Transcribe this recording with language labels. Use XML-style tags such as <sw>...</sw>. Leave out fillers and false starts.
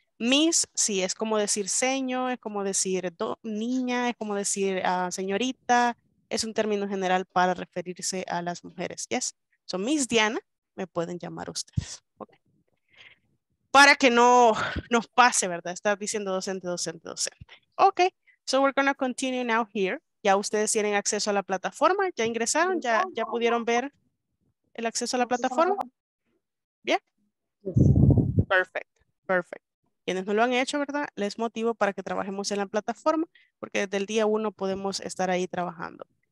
<es>Miss, sí, es como decir seño, es como decir niña, es como decir señorita, es un término general para referirse a las mujeres, ¿yes? So, Miss Diana, me pueden llamar ustedes, ¿ok? Para que no nos pase, ¿verdad? Estar diciendo docente, docente, docente.</es> <en>Ok, so we're going to continue now here.</en> <es>Ya ustedes tienen acceso a la plataforma, ya ingresaron, ya pudieron ver el acceso a la plataforma. ¿Bien? Perfecto, perfecto. Quienes no lo han hecho, ¿verdad? Les motivo para que trabajemos en la plataforma, porque desde el día uno podemos estar ahí trabajando.</es>